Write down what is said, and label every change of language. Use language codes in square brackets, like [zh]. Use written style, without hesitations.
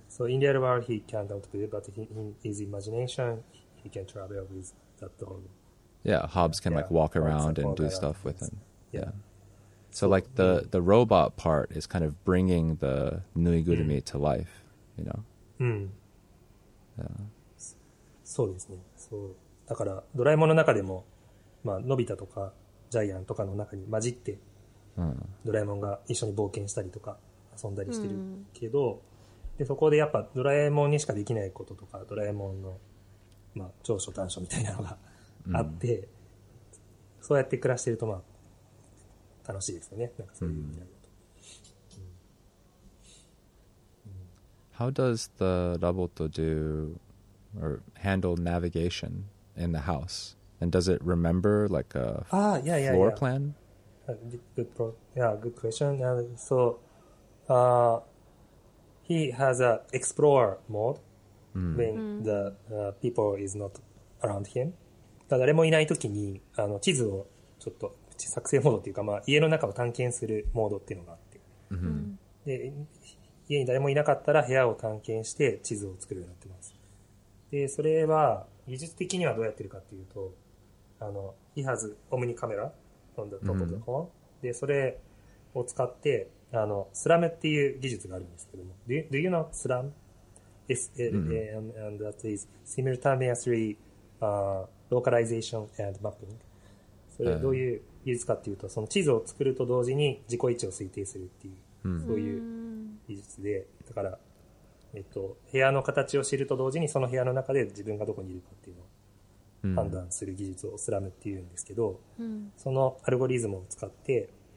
[en] So in the other world, he can't talk to people, but in his imagination, he can travel with that dog. Yeah, Hobbes can like walk around and do stuff with him. Yeah. So like the robot part is kind of bringing the Nuigurumi to life, you know? Yeah. [ja] そうですね。そう。だから、ドラえもんの中でも、まあ、のび太とか、ジャイアンとかの中に混じって、ドラえもんが一緒に冒険したりとか、遊んだりしてるけど、で、そこでやっぱドラえもんにしかできないこととか、ドラえもんの、まあ、長所短所みたいなのが、あって、そうやって暮らしてるとまあ楽しいですよね。なんかそういう意味だと。 [en] How does the robot do or handle navigation in the house? And does it remember like a floor plan? Good question. So, he has a explore mode when the people is not around him. [ja] 誰もいないときに、地図をちょっと作成モードっていうか、まあ、家の中を探検するモードっていうのがあって。で、家に誰もいなかったら部屋を探検して地図を作るようになってます。で、それは、技術的にはどうやってるかっていうと、 [en] he has omni camera on the top of the phone。 [ja] で、それを使って、スラムっていう技術があるんですけども、 [en] do you know SLAM? S-L-A-M, and that is simultaneously, localization and mapping. [ja] それどういう技術かっていうと、その地図を作ると同時に自己位置を推定するっていう、そういう技術で、だから、部屋の形を知ると同時にその部屋の中で自分がどこにいるかっていうのを判断する技術をスラムっていうんですけど、そのアルゴリズムを使って、